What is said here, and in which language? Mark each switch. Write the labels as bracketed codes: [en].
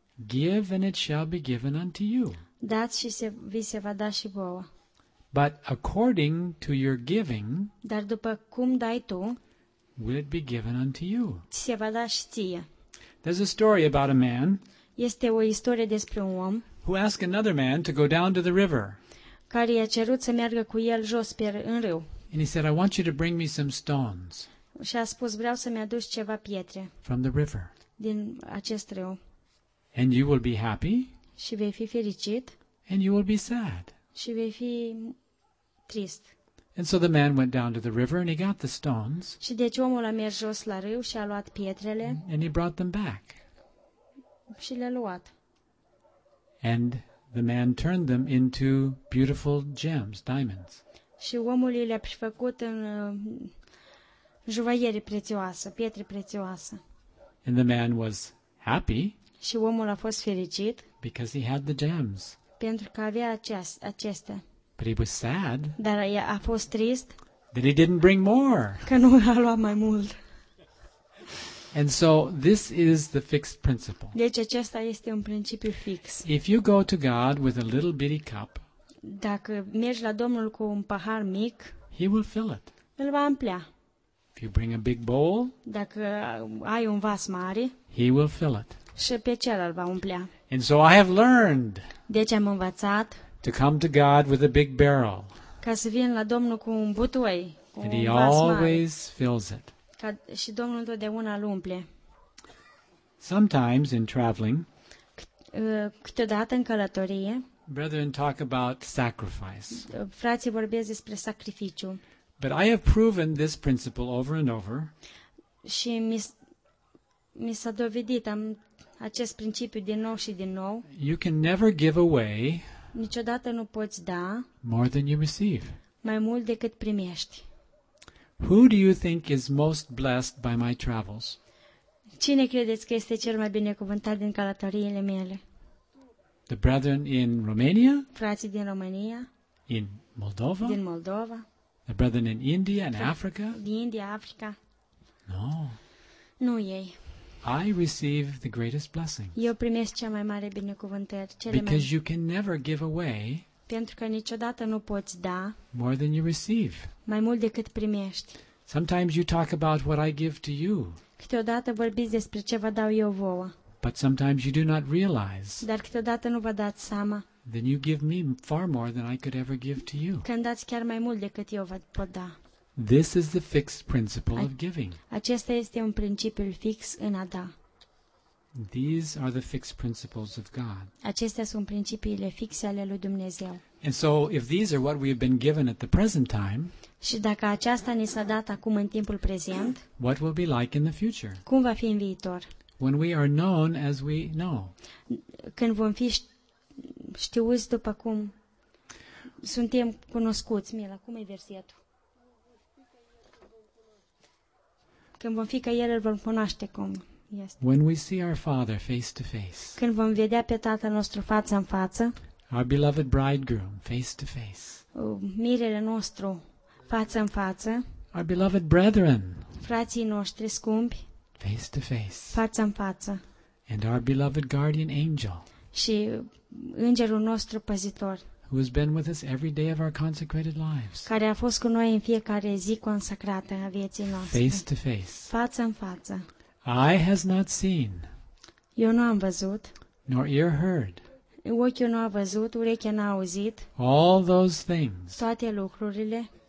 [en] Give and it shall be given unto you. [ro] Dați și vi se va da și vouă. [en] But according to your giving, [ro] dar după cum dai tu, [en] will it be given unto you? [ro] Se va da și ție. [en] There's a story about a man. [ro] Este o istorie despre un om. [en] Who asked another man to go down to the river. [ro] Care i-a cerut să meargă cu el jos pe în râu. [en] And he said, I want you to bring me some stones. [ro] Și a spus, vreau să-mi aduci ceva pietre. [en] From the river. [ro] Din acest râu. [en] And you will be happy. [ro] Și vei fi fericit. [en] And you will be sad. [ro] Și vei fi trist. [en] And so the man went down to the river and he got the stones. [ro] Și deci omul a mers jos la râu și a luat pietrele. [en] And he brought them back. [ro] Și le-a luat. [en] And the man turned them into beautiful gems, diamonds. [ro] Și omul le-a prefăcut în juvelierie prețioasă, pietre prețioase. [en] And the man was happy. [ro] Și omul a fost fericit. [en] Because he had the gems. [ro] Pentru că avea acestea. [en] But he was sad. [ro] Dar a fost trist. [en] That he didn't bring more. [ro] Că nu a luat mai mult. [en] And so this is the fixed principle. [ro] Deci acesta este un principiu fix. [en] If you go to God with a little bitty cup. [ro] Dacă mergi la Domnul cu un pahar mic. [en] He will fill it. [ro] Îl va amplia. [en] If you bring a big bowl, [ro] dacă ai un vas mare, [en] he will fill it. [ro] Și pe cel îl va umplea. [en] And so I have learned. [ro] Deci am învățat. [en] To come to God with a big barrel. [ro] Ca să vin la Domnul cu un butoi, cu [en] and [ro] un vas [en] always [ro] mare. [en] Fills it. [ro] Ca și Domnul întotdeauna îl umple. [en] Sometimes in traveling, [ro] câteodată în călătorie, [en] brethren talk about sacrifice. [ro] Frații vorbesc despre sacrificiu. [en] But I have proven this principle over and over. [ro] Și mi s-a dovedit am acest principiu din nou și din nou. [en] You can never give away. [ro] Niciodată nu poți da. [en] More than you receive. [ro] Mai mult decât primești. [en] Who do you think is most blessed by my travels? [ro] Cine credeți că este cel mai binecuvântat din călătoriile mele? [en] The brethren in Romania? [ro] Frații din România? [en] In Moldova? [ro] Din Moldova? [en] The brethren in India and Africa? [ro] Din India, Africa? [en] No. [ro] Nu ei. [en] I receive the greatest blessing. [ro] Eu primesc cea mai mare binecuvântare, cele mai. [en] Because you can never give away. [ro] Pentru că niciodată nu poți da. [en] More than you receive. [ro] Mai mult decât primești. [en] Sometimes you talk about what I give to you. [ro] Câteodată vorbiți despre ce vă dau eu vouă. [en] But sometimes you do not realize. [ro] Dar câteodată nu vă dați seama. [en] Then you give me far more than I could ever give to you. [ro] Când dați chiar mai mult decât eu vă pot da. [en] This is the fixed principle of giving. [ro] Acesta este un principiu fix în a da. [en] These are the fixed principles of God. [ro] Acestea sunt principiile fixe ale lui Dumnezeu. [en] And so if these are what we have been given at the present time, [ro] și dacă aceasta ni s-a dat acum în timpul prezent, [en] what will be like in the future? [ro] Cum va fi în viitor? [en] When we are known as we know. [ro] Când vom fi știuți după cum suntem cunoscuți, Mila, cum e versetul? Când vom fi ca El, îl vom cunoaște cum este. [en] When we see our Father face to face. [ro] Când vom vedea pe Tatăl nostru față în față. [en] Our beloved bridegroom face to face. [ro] Mirele nostru față în față. [en] Our beloved brethren. [ro] Frații noștri scumpi. [en] Face to face. [ro] Față în față. [en] And our beloved guardian angel. [ro] Și îngerul nostru păzitor. [en] Who has been with us every day of our consecrated lives? [ro] Care a fost cu noi în fiecare zi consacrată a vieții noastre. [en] Face to face. [ro] Față în față. [en] Eye has not seen. [ro] Eu nu am văzut. [en] Nor ear heard. [ro] Ochiul nu a văzut, urechea n-a auzit. [en] All those things. [ro] Toate lucrurile.